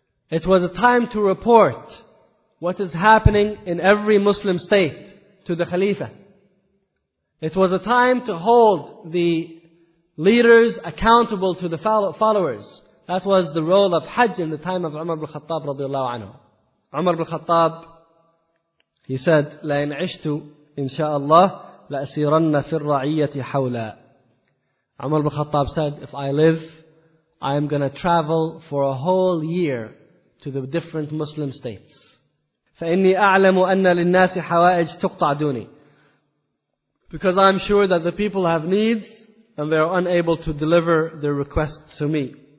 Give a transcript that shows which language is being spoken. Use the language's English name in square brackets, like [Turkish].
[English] It was a time to report what is happening in every Muslim state to the Khalifa. It was a time to hold the leaders accountable to the followers. That was the role of Hajj in the time of Umar ibn Khattab radiallahu anhu. Umar ibn Khattab, he said, [Arabic] لَإِنْ عِشْتُ إِنْ شَاءَ اللَّهِ لَأَسِيرَنَّ فِي الرَّعِيَّةِ حَوْلًا. [English] Umar ibn Khattab said, if I live, I am going to travel for a whole year to the different Muslim states. [Arabic] فَإِنِّي أَعْلَمُ أَنَّ لِلنَّاسِ حَوَائِجْ تُقْطَعْ دُونِي. [English] Because I am sure that the people have needs and they are unable to deliver their requests to me.